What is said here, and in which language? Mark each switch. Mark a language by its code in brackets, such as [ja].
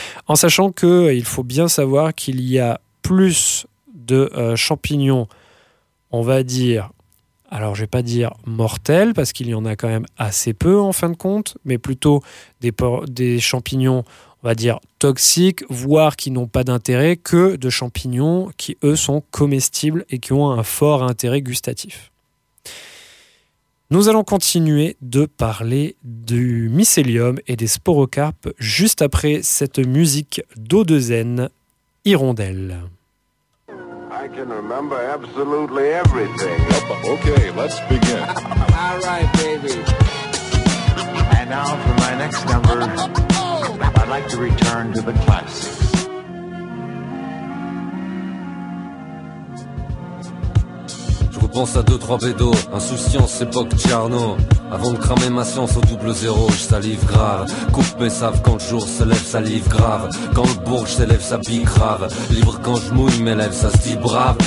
[fr] En sachant qu'il faut bien savoir qu'il y a plus de champignons, on va dire, alors je vais pas dire mortels, parce qu'il y en a quand même assez peu en fin de compte, mais plutôt des champignons, on va dire, toxiques, voire qui n'ont pas d'intérêt, que de champignons qui, eux, sont comestibles et qui ont un fort intérêt gustatif. Nous allons continuer de parler du mycélium et des sporocarpes juste après cette musique d'Audezen, Hirondelle. [en] I can remember absolutely everything. Okay, let's begin. All right, baby. And now for my next number, I'd like to return to the classics. [fr] Je repense à 2-3 bédos, insouciance, époque Tcharno. Avant de cramer ma science au 00, je salive grave. Coupe mes saves quand le jour s'élève, salive grave. Quand le bourg s'élève, ça pique grave. Libre quand je mouille, m'élève, ça se dit brave.